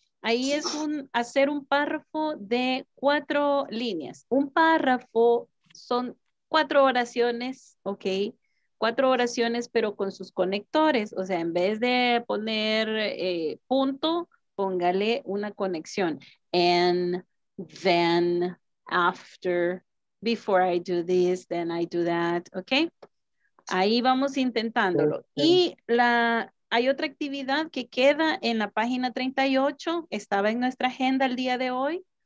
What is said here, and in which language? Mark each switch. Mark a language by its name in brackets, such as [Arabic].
[Spanish] Ahí es un hacer un párrafo de 4 líneas. Un párrafo son 4 oraciones, okay? 4 oraciones, pero con sus conectores. O sea, en vez de poner punto, póngale una conexión. [English] And then, after, before I do this, then I do that, okay? [Spanish] Ahí vamos intentándolo. Perfecto. Y hay otra actividad que queda en la página 38. Estaba en nuestra agenda el día de hoy.